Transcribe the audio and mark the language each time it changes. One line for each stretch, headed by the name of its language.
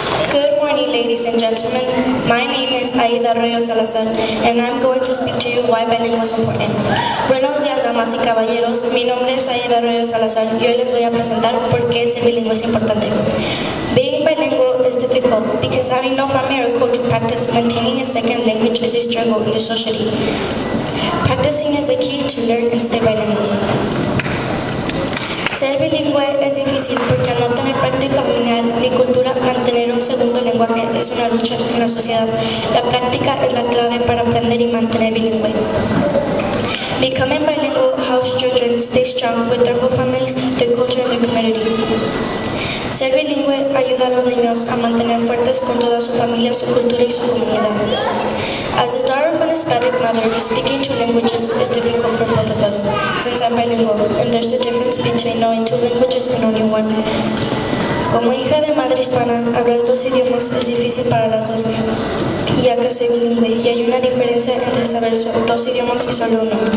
English: Good morning, ladies and gentlemen. My name is Aida Arroyo Salazar, and I'm going to speak to you why bilingual is important.
Spanish: Buenos días, damas y caballeros. Mi nombre es Aida Arroyo Salazar. Yo les voy a presentar por qué ser bilingüe es importante.
English: Being bilingual is difficult because having no familiar culture practice, maintaining a second language is a struggle in the society. Practicing is the key to learn and stay bilingual.
Spanish: Ser bilingüe es difícil porque al no tener práctica familiar ni cultura, mantener un segundo lenguaje es una lucha en la sociedad. La práctica es la clave para aprender y mantener bilingüe.
English: Becoming bilingual helps children stay strong with their whole families, their culture, and their community.
Spanish: Ser bilingüe ayuda a los niños a mantener fuertes con toda su familia, su cultura y su comunidad.
English: As a daughter of an Hispanic mother, speaking two languages is difficult for both of us, since I'm bilingual, and there's a difference between knowing two languages and only one.
Spanish: Como hija de madre hispana, hablar dos idiomas es difícil para las dos, ya que soy bilingüe, y hay una diferencia entre saber dos idiomas y solo uno.